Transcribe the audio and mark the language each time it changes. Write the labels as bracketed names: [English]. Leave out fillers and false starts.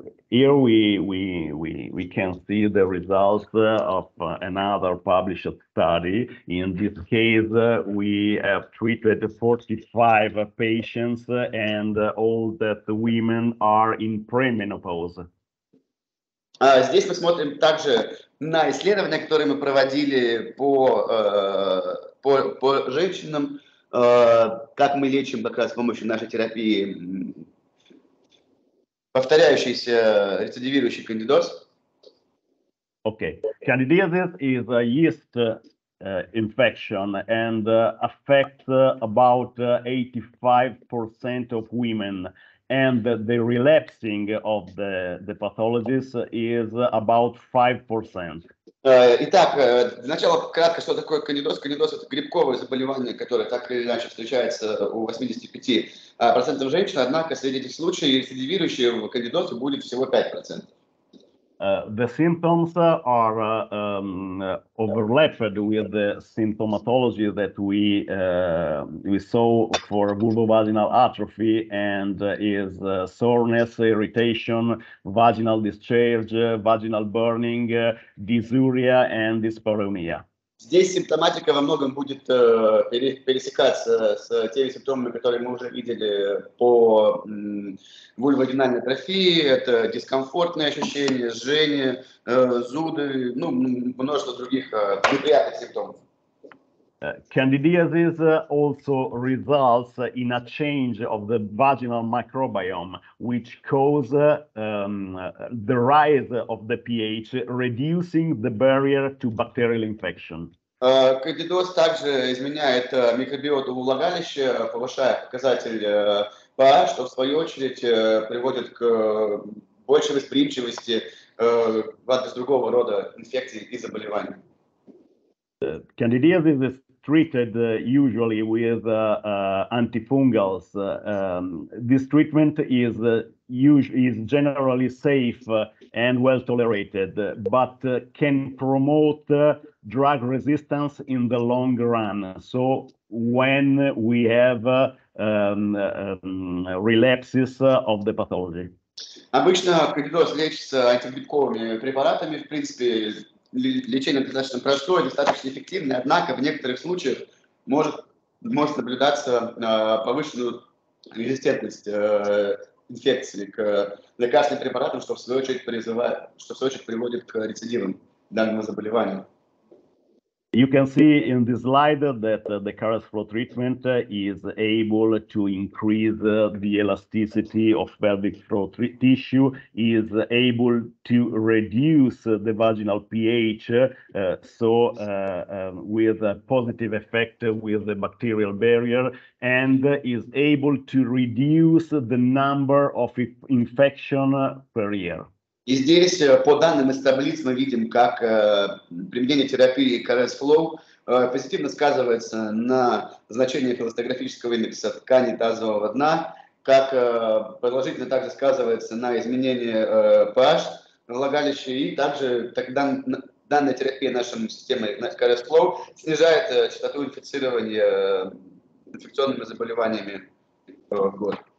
[English] Here we can see the results of another published study. In this case, we have treated 45 patients, and all that women are in premenopause. [Russian] Здесь мы смотрим также на исследования, которые мы проводили по женщинам, как мы лечим как раз с помощью нашей терапии повторяющийся рецидивирующий кандидоз. [English] Okay, candidiasis is a yeast infection and affects about 85% of women. And the relapsing of the pathologies is about 5%. [Russian] Итак, для начала кратко, что такое кандидоз. Кандидоз – это грибковое заболевание, которое так или иначе встречается у 85% женщин, однако среди этих случаев рецидивирующие в кандидозе будет всего 5%. [English] The symptoms are overlapped with the symptomatology that we saw for vulvovaginal atrophy and is soreness, irritation, vaginal discharge, vaginal burning, dysuria and dyspareunia. [Russian] Здесь симптоматика во многом будет пересекаться с теми симптомами, которые мы уже видели по вульводинальной атрофии. Это дискомфортные ощущения, жжение, зуды, ну, множество других неприятных симптомов. [English] Candidiasis also results in a change of the vaginal microbiome, which causes the rise of the pH, reducing the barrier to bacterial infection. [Russian] Кандидоз также изменяет микробиоту влагалища, повышая показатель pH, что в свою очередь приводит к большей восприимчивости в адрес другого рода инфекций и заболеваний. [English] Candidiasis is treated usually with antifungals. This treatment is generally safe and well tolerated, but can promote drug resistance in the long run. So when we have relapses of the pathology. [Russian] Обычно кандидоз лечится антибактериальными препаратами. В принципе, лечение достаточно простое, достаточно эффективное. Однако в некоторых случаях может наблюдаться повышенную резистентность инфекции к лекарственным препаратам, что в свою очередь приводит к рецидивам данного заболевания. [English] You can see in this slide that the current flow treatment is able to increase the elasticity of pelvic floor tissue, is able to reduce the vaginal pH, so with a positive effect with the bacterial barrier, and is able to reduce the number of infection per year. [Russian] И здесь, по данным из таблиц, мы видим, как применение терапии CRS Flow позитивно сказывается на значении эластографического индекса ткани тазового дна, как продолжительно также сказывается на изменении pH влагалища, и также данная терапия нашей системы CRS Flow снижает частоту инфицирования инфекционными заболеваниями в год.